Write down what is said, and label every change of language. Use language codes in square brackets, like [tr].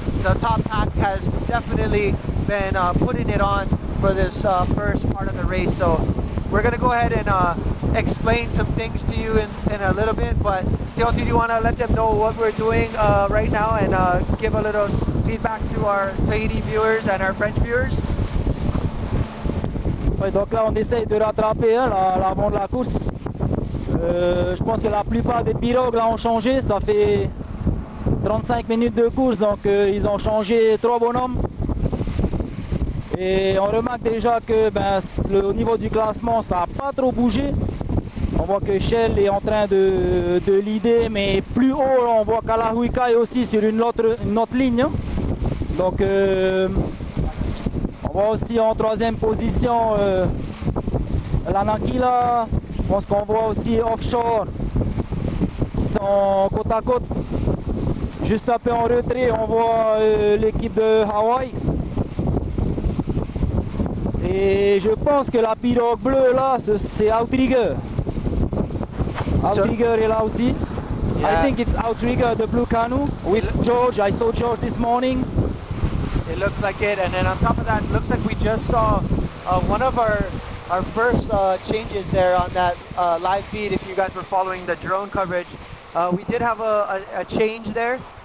[en] The top pack has definitely been putting it on for this first part of the race. So we're gonna go ahead and explain some things to you in a little bit, but JLT, do you wanna let them know what we're doing right now and give a little feedback to our Tahiti viewers and our French viewers? [fr] Donc là, on essaye de rattraper hein, l'avant de la course. Je pense que la plupart des pirogues là ont changé. Ça fait 35 minutes de course, donc ils ont changé trois bonhommes. Et on remarque déjà que ben, le niveau du classement, ça n'a pas trop bougé. On voit que Shell est en train de leader, mais plus haut, on voit Kalahuika est aussi sur une autre ligne. Hein. Donc... on voit aussi en troisième position l'Anakila. Je pense qu'on voit aussi Offshore qui sont côte à côte. Juste un peu en retrait, on voit l'équipe de Hawaï. Et je pense que la pirogue bleue là, c'est Outrigger. Outrigger est là aussi. [en] Yeah. I think it's Outrigger, the blue canoe, with George. I saw George this morning. It looks like it, and then on top of that, it looks like we just saw one of our first changes there on that live feed. If you guys were following the drone coverage, we did have a change there.